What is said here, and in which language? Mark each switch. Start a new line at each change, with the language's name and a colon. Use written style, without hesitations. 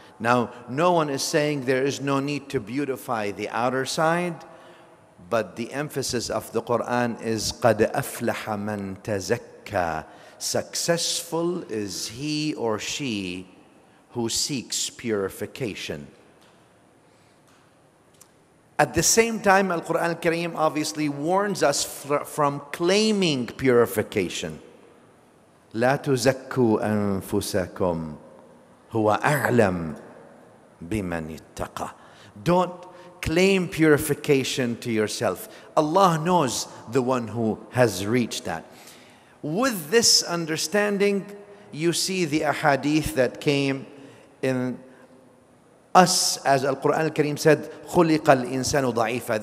English: Now, no one is saying there is no need to beautify the outer side, but the emphasis of the Quran is
Arabic: قَدْ أَفْلَحَ مَنْ تَزَكَّى.
English: Successful is he or she who seeks purification. At the same time, Al-Qur'an al-Kareem obviously warns us from claiming purification.
Arabic: لا تزكوا أنفسكم هو أعلم بمن يتقى.
English: Don't claim purification to yourself. Allah knows the one who has reached that. With this understanding, you see the ahadith that came in us, as Al-Qur'an al-Kareem said,
Arabic: خُلِقَ الْإِنسَانُ ضَعِيفًا.